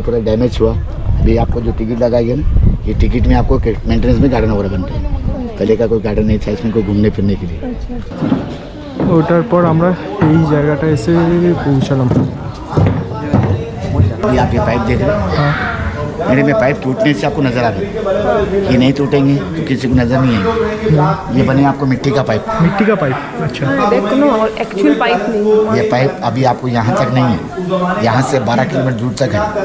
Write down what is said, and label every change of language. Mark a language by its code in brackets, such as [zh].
[hi] आपको जो टिकट लगाई ना ये टिकट में आपको मेंटेनेंस में गार्डन वगैरह बनते हैं, पहले का कोई गार्डन नहीं था इसमें कोई घूमने फिरने के लिए। [bn] ওটার পর আমরা এই জায়গাটা এসে পৌঁছালাম। [hi] ये आप ये पाइप देख रहे हैं, मेरे में पाइप टूटने से आपको नजर आ रही है, ये नहीं टूटेंगे तो किसी को नजर नहीं आएगी। ये बने आपको मिट्टी का पाइप, मिट्टी का पाइप। अच्छा, एक्चुअल पाइप नहीं, ये पाइप अभी आपको यहाँ तक नहीं है, यहाँ से 12 किलोमीटर दूर तक है।